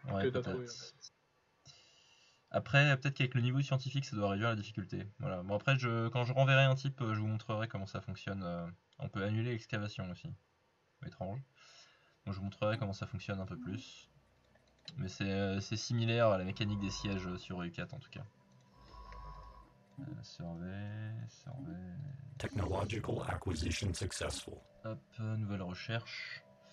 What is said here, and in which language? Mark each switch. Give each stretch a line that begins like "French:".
French: ouais, que t'as peut-être trouvé. Après, peut-être qu'avec le niveau scientifique, ça doit réduire la difficulté. Voilà. Bon, après, quand je renverrai un type, je vous montrerai comment ça fonctionne. On peut annuler l'excavation aussi. Étrange. Bon, je vous montrerai comment ça fonctionne un peu plus. Mais c'est similaire à la mécanique des sièges sur EU4, en tout cas.
English: Survey. Technological acquisition successful.
French: Hop, nouvelle recherche.